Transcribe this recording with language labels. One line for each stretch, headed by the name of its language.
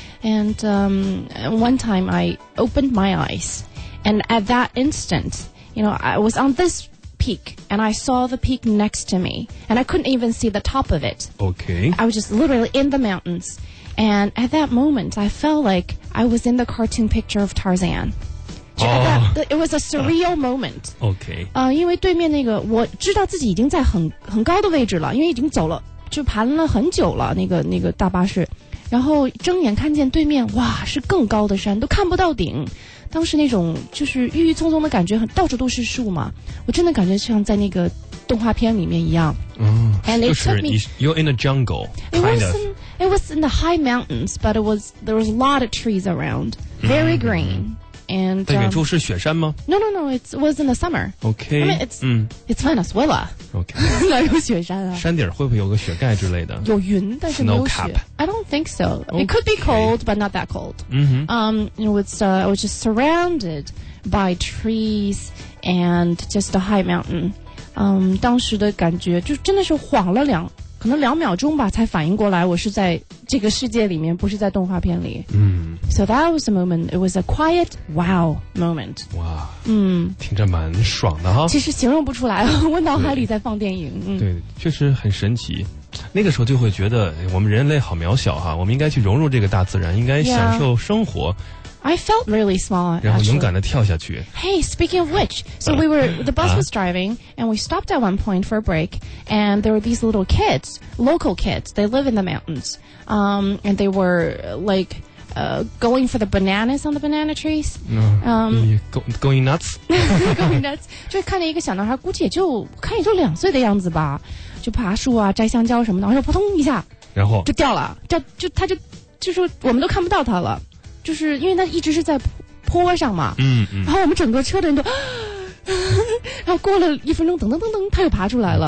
English: And one time I opened my eyes, and at that instant, you know, I was on this peak, and I saw the peak next to me, and I couldn't even see the top of it. Okay. I was just literally in the mountains. And at that moment, I felt like I was in the cartoon picture of Tarzan. It was a surreal moment. Okay.
Chinese: 因为对面那个我知道自己已经在很高的位置了，因为已经走了就盘了很久了那个大巴士，然后睁眼看见对面哇是更高的山，都看不到顶。当时那种就是郁郁葱葱的感觉，到处都是树嘛，我真的感觉像在那个动画片里面一样。
English: And it took me. You're in a jungle. It was in the high mountains, but there was a lot of trees around, very green. And
Chinese: 在远处是雪山吗
English: ？No. It was in the summer. Okay. I mean, it's Venezuela. Okay.
Chinese: 哪有雪山啊？山顶会不会有个雪盖之类的？有云，但是没有雪。
English: Snow cap. I don't think so. It could be cold, but not that cold. It was just surrounded by trees and just a high mountain.
Chinese: 当时的感觉就真的是晃了两。可能两秒钟吧才反应过来我是在这个世界里面不是在动画片里。
English: So that was the moment. It was a quiet wow moment. 哇、 wow,
Chinese: 听着蛮爽的哈。其实形容不出来我脑海里在放电影。对,、对确实很神奇。那个时候就会觉得我们人类好渺小哈，我们应该去融入这个大自然，应该享受生活。
English: Yeah. I felt really small, actually.
Chinese: 然后勇敢地跳下去。
English: Hey, speaking of which, so the bus was driving, and we stopped at one point for a break, and there were these little kids, local kids, they live in the mountains, and they were, like, going for the bananas on the banana trees. Going nuts? Going nuts.
Chinese: 就看见一个小男孩，估计也就，看也就两岁的样子吧，就爬树啊，摘香蕉什么的，然后扑通一下。然后？就掉了，就是我们都看不到他了。就是因为它一直是在坡上嘛，然后我们整个车的人都，然后过了一分钟，噔噔噔噔，它又爬出来了，